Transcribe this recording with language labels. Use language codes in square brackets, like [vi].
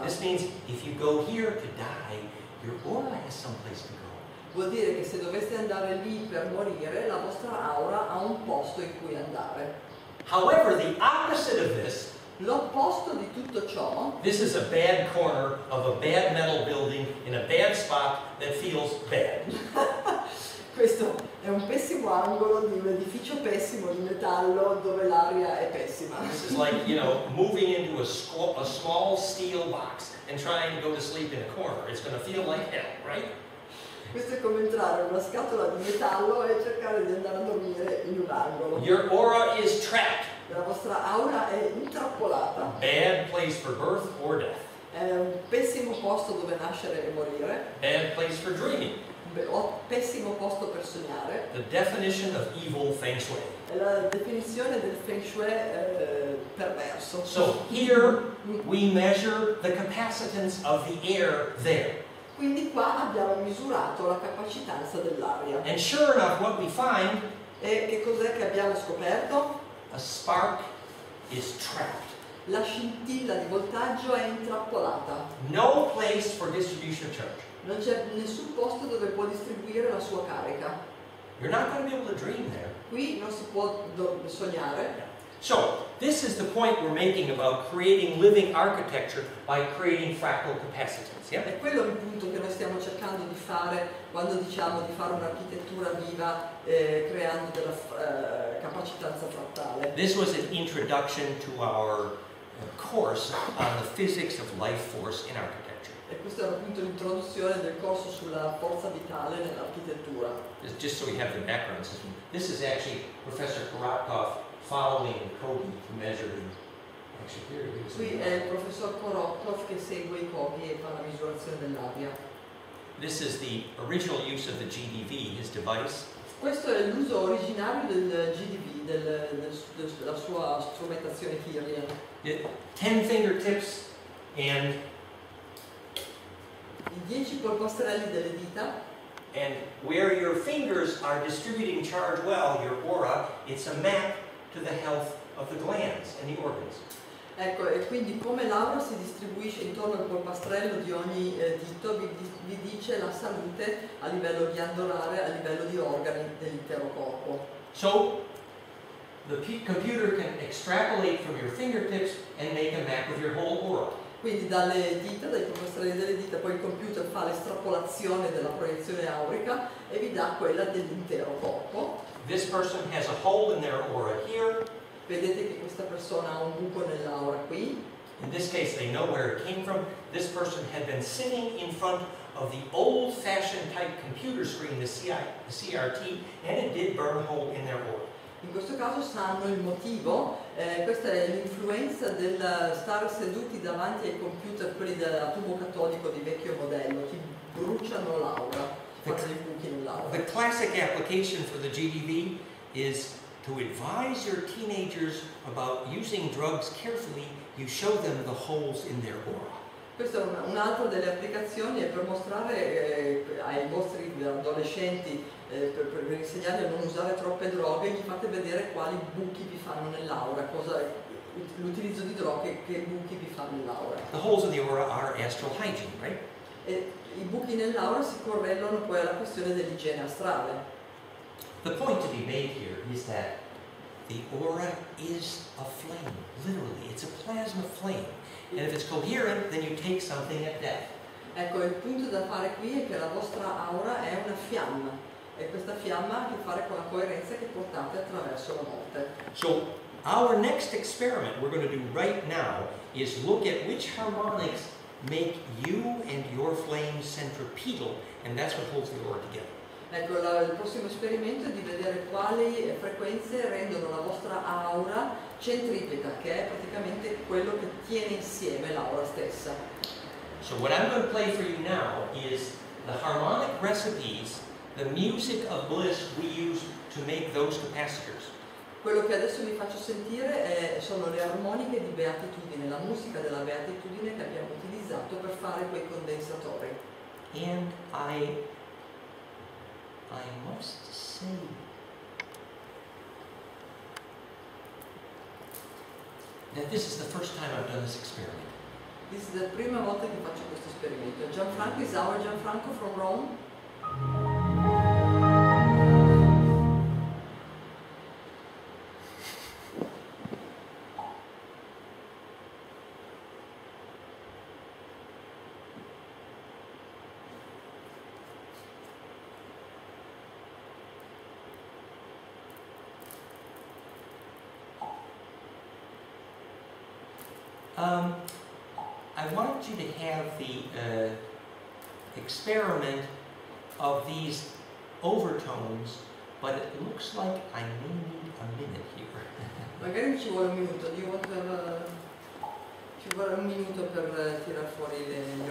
[en] This means if you go here to die, your aura has someplace to go. [it] Vuol dire che se doveste andare lì per morire, la vostra aura ha un posto in cui andare. [en] However, the opposite of this. [it] L'opposto di tutto ciò. [en] This is a bad corner of a bad metal building in a bad spot that feels bad. [it] Questo è un pessimo angolo di un edificio pessimo di metallo dove l'aria è pessima. [en] This is like, you know, moving into a small steel box and trying to go to sleep in a corner. It's going to feel like hell, right? [it] Questo è come entrare in una scatola di metallo e cercare di andare a dormire in un angolo. [en] Your aura is trapped. [it] La vostra aura è intrappolata. [en] Bad place for birth or death. [it] È un pessimo posto dove nascere e morire. [en] Bad place for dreaming. [it] Pessimo posto per sognare. [en] The definition of evil feng shui. [it] La definizione del feng shui perverso. [en] So here we measure the capacitance of the air there. [it] Quindi qua abbiamo misurato la capacitanza dell'aria. [en] And sure enough, what we find? [it] E che cos'è che abbiamo scoperto? [en] A spark is trapped. [it] La scintilla di voltaggio è intrappolata. [en] No place for distribution of charge. [it] Non c'è nessun posto dove può distribuire la sua carica. [en] You're not going to be able to dream there. [it] Qui non si può sognare. [en] So, this is the point we're making about creating living architecture by creating fractal capacitance. Yeah? [it] È quello il punto che noi stiamo cercando di fare quando diciamo di fare un'architettura viva creando della capacitanza frattale. [en] This was an introduction to our course on the physics of life force in architecture. [it] E questo era appunto l'introduzione del corso sulla forza vitale nell'architettura. [en] Just so we have the background system. This is actually Professor Korotkov following Kogi to measure him. [it] Qui è il professor Korotkov che segue i Kogi e fa la misurazione dell'aria. [en] This is the original use of the GDV, his device. [it] Questo è l'uso originario del GDV, della sua strumentazione Hirlian. [en] 10 finger tips and [it] i 10 polpastrelli delle dita. [en] And where your fingers are distributing charge well, your aura, it's a map to the health of the glands and the organs. [it] Ecco, e quindi come l'aura si distribuisce intorno al polpastrello di ogni dito, vi dice la salute a livello ghiandolare, a livello di organi dell'intero corpo. [en] So, the computer can extrapolate from your fingertips and make a map of your whole aura. [it] Quindi dalle dita, dai polpastrelli delle dita, poi il computer fa l'estrapolazione della proiezione aurica e vi dà quella dell'intero corpo. [en] This person has a hole in their aura here. [it] Vedete che questa persona ha un buco nell'aura qui. [en] In this case, they know where it came from. This person had been sitting in front of the old-fashioned type computer screen, the CRT, and it did burn a hole in their aura. [it] In questo caso sanno il motivo. Questa è l'influenza del stare seduti davanti ai computer, quelli del tubo catodico di vecchio modello, che bruciano l'aura. [en] The classic application for the GDV is to advise your teenagers about using drugs carefully. You show them the holes in their aura. [it] Questa è un'altra delle applicazioni è per mostrare ai vostri adolescenti per insegnare a non usare troppe droghe. Gli fate vedere quali buchi vi fanno nell'aura. Cosa l'utilizzo di droghe che buchi vi fanno nell'aura. [en] The holes in the aura are astral hygiene, right? [it] I buchi nell'aura si correlano poi alla questione dell'igiene astrale. [en] The point to be made here is that the aura is a flame, literally, it's a plasma flame. And if it's coherent, then you take something at death. [it] Ecco, il punto da fare qui è che la vostra aura è una fiamma. E questa fiamma ha a che fare con la coerenza che portate attraverso la morte. [en] So, our next experiment we're going to do right now is look at which harmonics make you and your flame centripetal, and that's what holds the aura together. [it] Ecco, il prossimo esperimento è di vedere quali frequenze rendono la vostra aura centripeta, che è praticamente quello che tiene insieme l'aura stessa. [en] So what I'm going to play for you now is the harmonic recipes, the music of bliss we use to make those capacitors. [it] Quello che adesso vi faccio sentire sono le armoniche di beatitudine, la musica della beatitudine che abbiamo utilizzato per fare quei condensatori. [en] And I must say that this is the first time I've done this experiment. This is the [it] prima volta che faccio questo esperimento. [en] Gianfranco, is our Gianfranco from Rome? I want you to have the experiment of these overtones, but it looks like I may need a minute here. [it] Magari ci vuole un minuto. [en] Do you want to have a... [it] Ci vuole un minuto per tirar fuori le